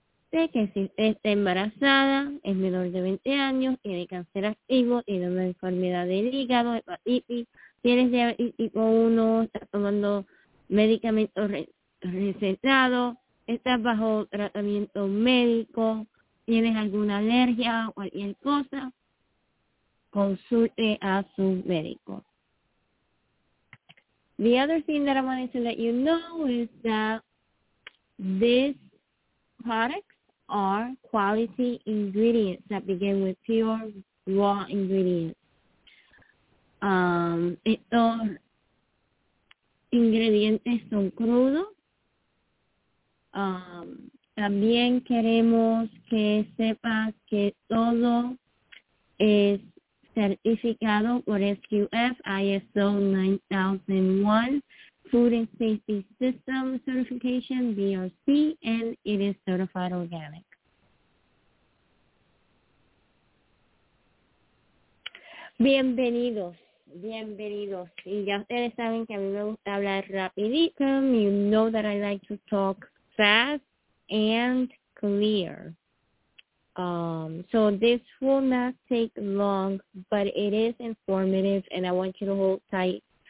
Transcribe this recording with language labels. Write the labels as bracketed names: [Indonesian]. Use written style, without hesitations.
[Spanish] Sé que si usted está embarazada, es menor de 20 años, tiene cáncer activo, tiene una enfermedad del hígado, hepatitis, tiene diabetes tipo 1, está tomando medicamentos recetados, estás bajo tratamiento médico, tienes alguna alergia o cualquier cosa, consulte a su médico. [English] The other thing that I wanted to let you know is that these products are quality ingredients that begin with pure raw ingredients. [Spanish] Estos ingredientes son crudos. También queremos que sepas que todo es certificado por SQF, ISO 9001, Food and Safety System Certification, BRC, [English] and it is certified organic. [Spanish] Bienvenidos. Bienvenidos. Y ya ustedes saben que a mí me gusta hablar rapidito. [English] You know that I like to talk fast and clear. So this will not take long, but it is informative, and I want you to hold tight